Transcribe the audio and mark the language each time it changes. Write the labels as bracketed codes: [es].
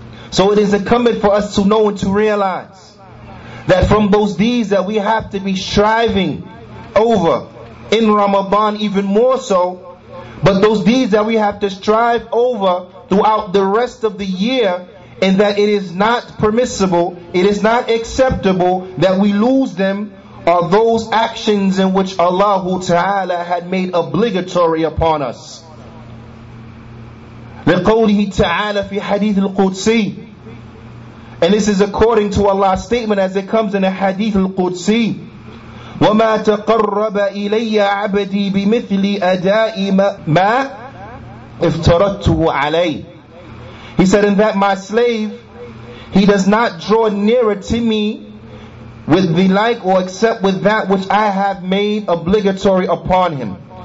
[en] So it is incumbent for us to know and to realize that from those deeds that we have to be striving over in Ramadan even more so, but those deeds that we have to strive over throughout the rest of the year, and that it is not permissible, it is not acceptable that we lose them, are those actions in which Allah Ta'ala had made obligatory upon us. [ar] لقوله تعالى في حديث القدسي. [en] And this is according to Allah's statement as it comes in the hadith al-Qudsi. [ar] وَمَا تَقَرَّبَ إِلَيَّ عَبَدِي بِمِثْلِ أَدَاءِ مَا افْتَرَدْتُهُ عَلَيْهِ. [en] He said, in that my slave, he does not draw nearer to me with the like or except with that which I have made obligatory upon him.